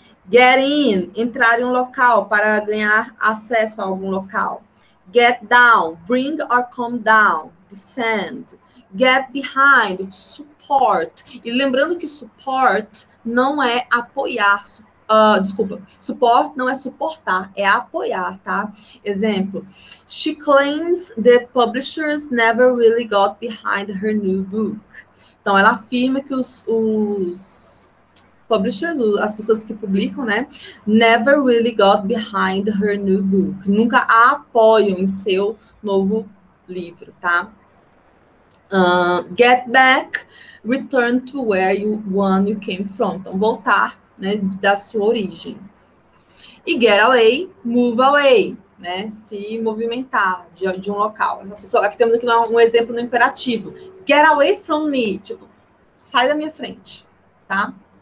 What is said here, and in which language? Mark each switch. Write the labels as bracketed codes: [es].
[pt] Get in, entrar em um local para ganhar acesso a algum local. [en] Get down, bring or come down, descend. Get behind, support. [pt] E lembrando que support não é apoiar. Suporte não é suportar, é apoiar, tá? Exemplo. [en] She claims the publishers never really got behind her new book. [pt] Então, ela afirma que os publishers, as pessoas que publicam, né? [en] Never really got behind her new book. [pt] Nunca a apoiam em seu novo livro, tá? [en] Get back, return to where you came from. [pt] Então, voltar, né, da sua origem. E [en] get away, move away, [pt] né? Se movimentar de um local. A pessoa, aqui temos aqui um exemplo no imperativo. [en] Get away from me. [pt] Tipo, sai da minha frente, tá?